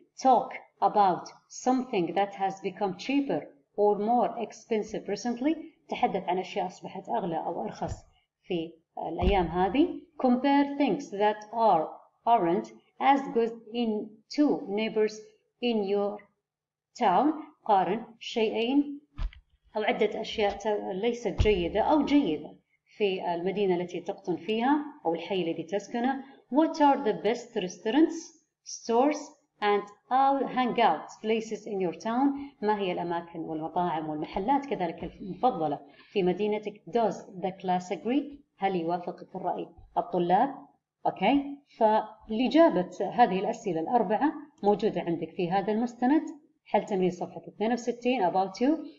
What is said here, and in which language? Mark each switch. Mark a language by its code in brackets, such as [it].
[en] Talk about something that has become cheaper or more expensive recently. [ar] تحدث عن أشياء أصبحت أغلى أو أرخص في الأيام هذه. [en] Compare things that aren't as good in two neighbors in your town. [ar] قارن شيئين أو عدة أشياء ليست جيدة أو جيدة في المدينة التي تقطن فيها أو الحي الذي تسكنه. [en] What are the best restaurants, stores, and hangout places in your town? [ar] ما هي الأماكن والمطاعم والمحلات كذلك المفضلة في مدينتك؟ [en] Does the class agree? [ar] هل يوافقك الرأي الطلاب؟ Okay. فالإجابة هذه الأسئلة الأربعة موجودة عندك في هذا المستند، حل تمرين صفحة 62 about you.